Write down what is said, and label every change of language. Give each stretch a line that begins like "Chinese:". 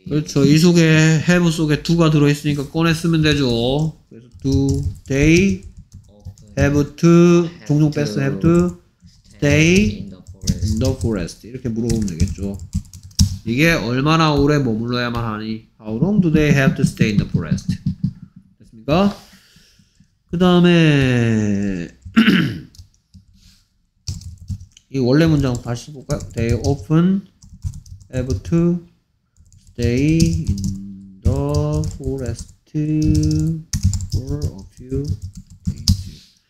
Korean: 그렇죠. 이 속에 have 속에 to가 들어 있으니까 꺼내 쓰면 되죠. 그래서
English: do they have to
Korean: 종종 뺐어
English: have to stay in the forest
Korean: 이렇게 물어보면 되겠죠. 이게 얼마나 오래 머물러야만 하니?
English: How long do they have to stay in the forest?
Korean: 됐습니까? 그 다음에 이 원래 문장 다시 볼까요?
English: They often have to stay in the forest for a few days.